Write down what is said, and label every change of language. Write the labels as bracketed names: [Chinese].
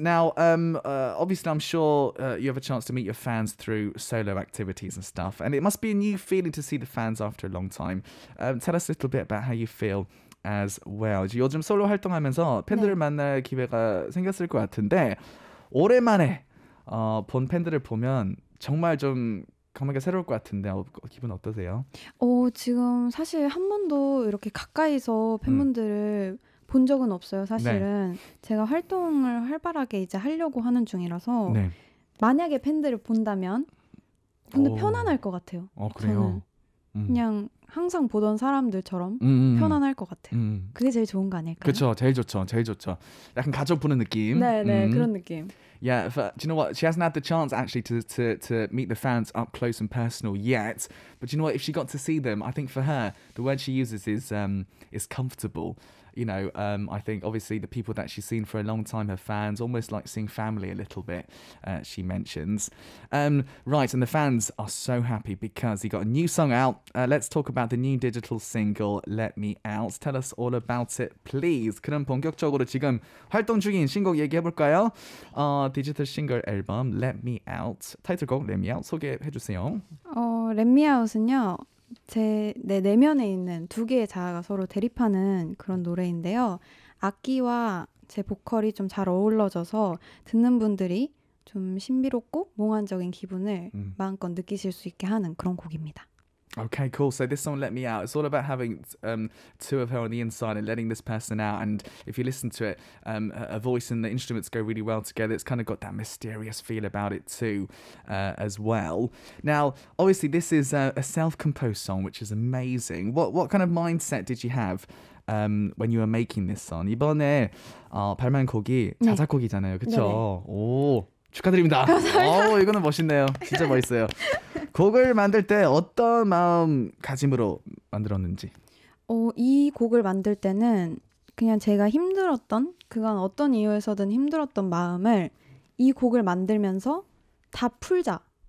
[English] Now, obviously, I'm sure you have a chance to meet your fans through solo activities and stuff. And it must be a new feeling to see the fans after a long time. Tell us a little bit about how you feel as well. [Korean] 요즘 솔로 활동하면서 팬들을 네. 만날 기회가 생겼을 것 같은데 오랜만에 본 팬들을 보면 정말 좀 감회가 새로울 것 같은데 기분 어떠세요? 지금 사실 한 번도 이렇게 가까이서 팬분들을 본 적은 없어요. 사실은 네. 제가 활동을 활발하게 이제 하려고 하는 중이라서 네. 만약에 팬들을 본다면 근데 편안할 것 같아요. 그래요? 저는 그냥 항상 보던 사람들처럼 편안할 것 같아요. 그게 제일 좋은 거 아닐까요? 그렇죠. 제일 좋죠. 약간 가족 보는 느낌. 네. 그런 느낌. [English] Yeah, but do you know what? She hasn't had the chance actually to meet the fans up close and personal yet. But do you know what? If she got to see them, I think for her, the word she uses is comfortable. You know, I think obviously the people that she's seen for a long time, her fans, almost like seeing family a little bit, she mentions. Right, and the fans are so happy because he got a new song out. Let's talk about the new digital single, Let Me Out. Tell us all about it, please. [Korean] 그럼 본격적으로 지금 활동 중인 신곡 얘기해볼까요? 디지털 싱글 앨범, Let Me Out. 타이틀곡, Let Me Out, 소개해주세요. Let Me Out은요. 제 내면에 있는 두 개의 자아가 서로 대립하는 그런 노래인데요. 악기와 제 보컬이 좀 잘 어우러져서 듣는 분들이 좀 신비롭고 몽환적인 기분을 마음껏 느끼실 수 있게 하는 그런 곡입니다. [English] Okay, cool. So this song, Let Me Out, it's all about having two of her on the inside and letting this person out. And if you listen to it, a voice and the instruments go really well together. It's kind of got that mysterious feel about it too, as well. Now, obviously, this is a self-composed song, which is amazing. What kind of mindset did you have when you were making this song? [Korean] 이번에 발매한 곡이 자작곡이잖아요, 그렇죠? 오, 축하드립니다. 감사합니다. 이거는 멋있네요. 진짜 멋있어요. 곡을 만들 때 어떤 마음가짐으로 만들었는지? 이 곡을 만들 때는 그냥 제가 힘들었던 그건 어떤 이유에서든 힘들었던 마음을 이 곡을 만들면서 다 풀자.